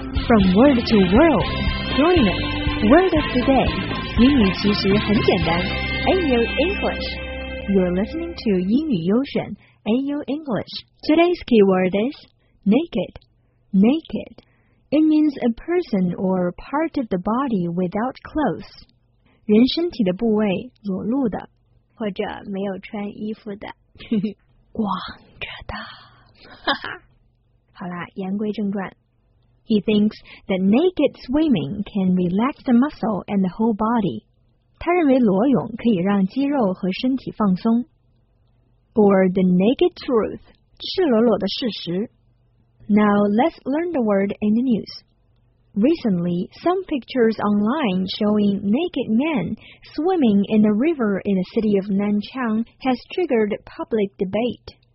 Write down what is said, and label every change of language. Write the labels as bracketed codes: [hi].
[en] From word to world, join us, word of the day. [zh] 英语其实很简单, AU English. [en] You're listening to 英语优选, AU English. Today's keyword is naked. Naked. It means a person or part of the body without clothes. [zh] 人身体的部位裸露的或者没有穿衣服的光着的好啦，言归正传。 [en] He thinks that naked swimming can relax the muscle and the whole body. [zh] 他认为裸泳可以让肌肉和身体放松。 [en] Or the naked truth, [zh] 赤裸裸的事实。 [en] Now let's learn the word in the news. Recently, some pictures online showing naked men swimming in a river in the city of Nanchang has triggered public debate.